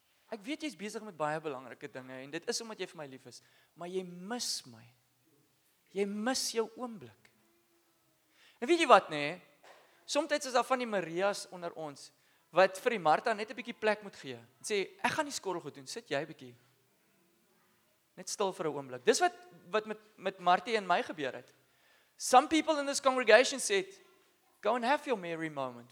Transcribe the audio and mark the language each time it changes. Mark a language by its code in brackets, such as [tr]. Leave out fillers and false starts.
[af] Ek weet jy's besig met baie belangrike dinge en dit is omdat jy vir my lief is, maar jy mis my. Jy mis jou oomblik. En weet jy wat nê? Soms is daar van die Marias onder ons wat vir die Martha net 'n bietjie plek moet gee. Sê, "Ek gaan die skottelgoed doen, sit jy 'n bietjie." Net stil vir 'n oomblik. Dis wat met Martie en my gebeur het. [en] Some people in this congregation said, "Go and have your Mary moment.